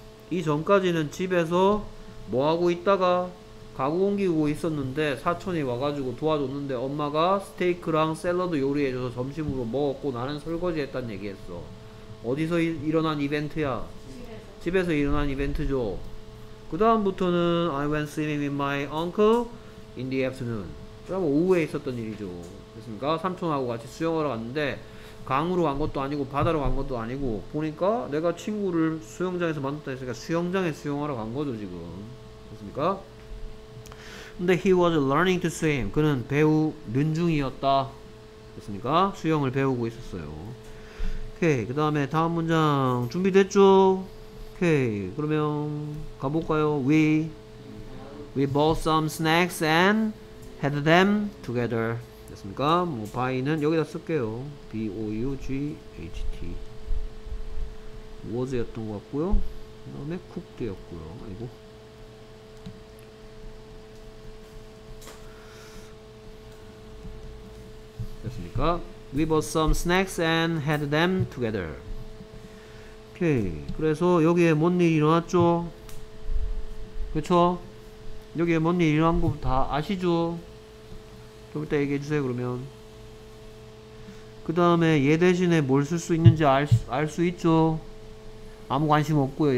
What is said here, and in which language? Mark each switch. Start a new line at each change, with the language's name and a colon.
Korean: 이 전까지는 집에서 뭐 하고 있다가 가구 옮기고 있었는데 사촌이 와가지고 도와줬는데 엄마가 스테이크랑 샐러드 요리해줘서 점심으로 먹었고 나는 설거지 했단 얘기했어. 어디서 일어난 이벤트야? 집에서 일어난 이벤트죠. 그 다음부터는
English: I went swimming with my uncle in the afternoon.
Korean: 그러면 오후에 있었던 일이죠. 됐습니까? 삼촌하고 같이 수영하러 갔는데 강으로 간 것도 아니고 바다로 간 것도 아니고 보니까 내가 친구를 수영장에서 만났다 했으니까 수영장에 수영하러 간 거죠 지금. 됐습니까? 근데
English: he was learning to swim.
Korean: 그는 배우는 중이었다. 됐습니까? 수영을 배우고 있었어요. 오케이. 그 다음에 다음 문장 준비됐죠? 오케이. 그러면 가볼까요?
English: We bought some snacks and had them together.
Korean: 됐습니까? 뭐 by는 여기다 쓸게요. B-O-U-G-H-T was였던 것 같고요. 그 다음에 cooked였고요. 아이고. 됐습니까?
English: We bought some snacks and had them together.
Korean: 오케이. 그래서 여기에 뭔 일이 일어났죠? 그쵸? 여기에 뭔 일이 일어난 거 다 아시죠? 좀 이따 얘기해 주세요. 그러면 그 다음에 얘 대신에 뭘 쓸 수 있는지 알 수 있죠? 아무 관심 없고요.